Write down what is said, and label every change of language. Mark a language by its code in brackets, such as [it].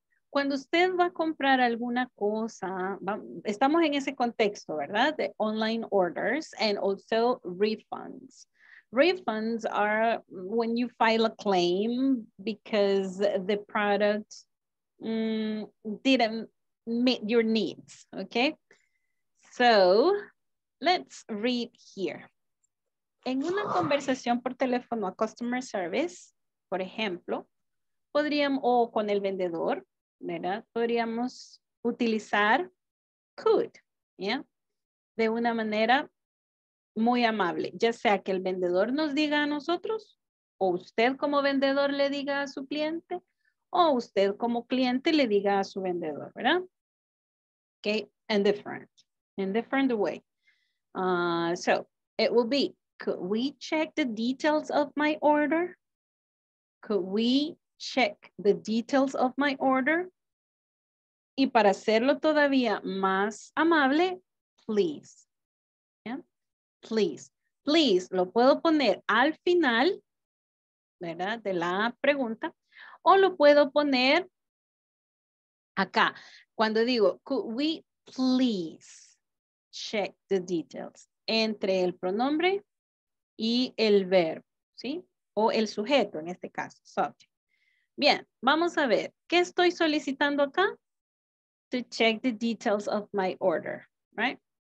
[es] Cuando usted va a comprar alguna cosa, estamos en ese contexto, ¿verdad? [en] De online orders and also refunds. Refunds are when you file a claim because the product didn't meet your needs, okay? So, let's read here. [es] En una conversación por teléfono a customer service, por ejemplo, podríamos, o con el vendedor, ¿verdad? Podríamos utilizar could, ¿yeah? De una manera muy amable, ya sea que el vendedor nos diga a nosotros, o usted como vendedor le diga a su cliente, o usted como cliente le diga a su vendedor, ¿verdad? [en] Okay, in different way. So, it will be, could we check the details of my order? Could we check the details of my order? [es] Y para hacerlo todavía más amable, please. Please, please, lo puedo poner al final, ¿verdad? De la pregunta, o lo puedo poner acá. Cuando digo, [en] could we please check the details [es] entre el pronombre y el verbo, ¿sí? O el sujeto, en este caso, subject. Bien, vamos a ver, ¿qué estoy solicitando acá? [en] To check the details of my order, right?